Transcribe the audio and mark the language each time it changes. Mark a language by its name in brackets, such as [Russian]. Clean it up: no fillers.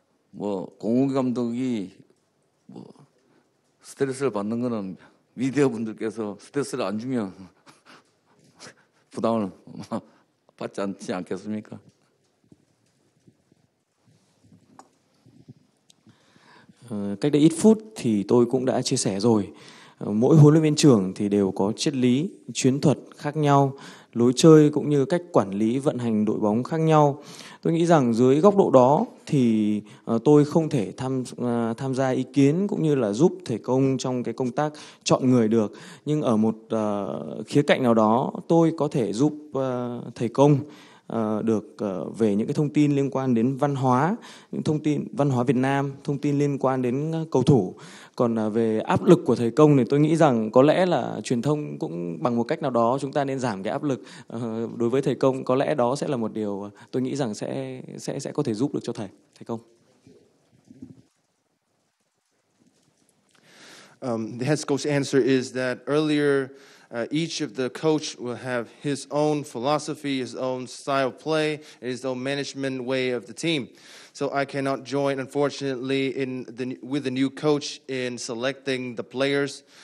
[Korean] 뭐 공욱 감독이 뭐 스트레스를 받는 거는 미디어 분들께서 스트레스를 안 주면 부담을 받지 않지 않겠습니까? [Vietnamese] 쟤 đây ít phút thì tôi cũng đã chia sẻ rồi. Mỗi huấn luyện viên trưởng thì đều có triết lý, chiến thuật khác nhau, lối chơi cũng như cách quản lý vận hành đội bóng khác nhau. Tôi nghĩ rằng dưới góc độ đó thì tôi không thể tham gia ý kiến cũng như là giúp thầy công trong cái công tác chọn người được. Nhưng ở một khía cạnh nào đó tôi có thể giúp thầy công được về những cái thông tin liên quan đến văn hóa, những thông tin văn hóa Việt Nam, thông tin liên quan đến cầu thủ. Còn về áp lực của thầy công thì tôi nghĩ rằng có lẽ là truyền thông cũng bằng một cách nào đó chúng ta nên giảm cái áp lực đối với thầy công. Có lẽ đó sẽ là một điều tôi nghĩ rằng sẽ có thể giúp được cho thầy công. [English] The head coach answer is that earlier each of the coach will have his own philosophy, his own style of play, and his own management way of the team. So I cannot join, unfortunately, with the new coach in selecting the players.